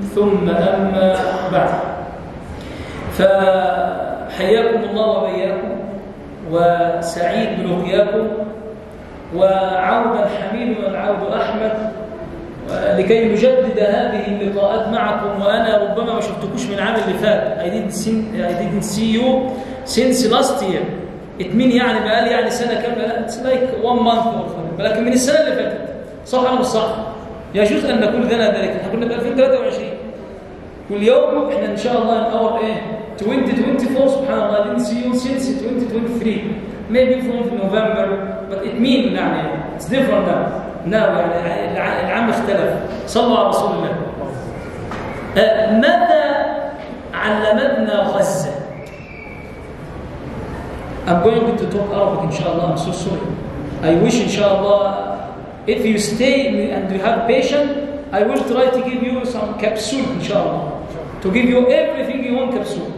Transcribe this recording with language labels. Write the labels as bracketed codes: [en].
[ar] ثم أما بعد، فحياكم الله وبياكم، وسعيد برؤياكم، وعودا حميد والعود أحمد، لكي نجدد هذه اللقاءات معكم. وأنا ربما ما شفتكوش من العام اللي فات. [en] I didn't see you since last year. It means [ar] يعني بقى لي يعني سنة كاملة. [en] It's like one month or something. [ar] ولكن من السنة اللي فاتت، صح أو مش صح؟ يجوز أن نكون ذنا ذلك. إحنا كنا في 2023. واليوم إحنا إن شاء الله نقرب إيه؟ 2024 سبحان الله. [en] I didn't see you since 2023. Maybe from November. But it means يعني it's different now. [ar] نعم، العام اختلف. صلى الله على رسول الله. ماذا علمتنا غزة؟ [en] I'm going to talk Arabic [ar] إن شاء الله. [en] I'm so sorry. I wish إن شاء الله if you stay and you have patience, I will try to give you some capsule إن شاء الله. To give you everything you want capsule.